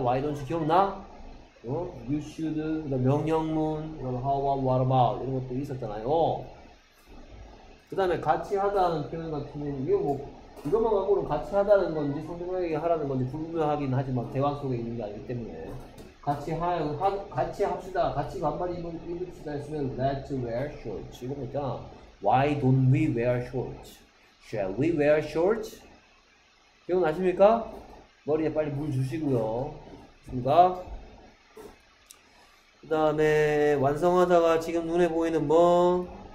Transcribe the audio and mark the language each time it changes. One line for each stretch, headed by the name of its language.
English: Why don't you
Korean: 기억나? 어?
English: You should
Korean: 그다음 명령문 그다음
English: how about what about
Korean: 이런 것도 있었잖아요. 그 다음에 같이 하다는 표현 같은 경우는 이거 뭐 이것만 갖고는 같이 하다는 건지 상대방에게 하라는 건지 불분명하긴 하지만 대화 속에 있는 게 아니기 때문에 같이 합시다. 같이 반바지 입읍시다 했으면
English: let's wear shorts
Korean: 이거 보자.
English: Why don't we wear shorts? Shall we wear shorts?
Korean: 기억나십니까? 머리에 빨리 물 주시고요. 중각. 그 다음에 완성하다가 지금 눈에 보이는 뭐?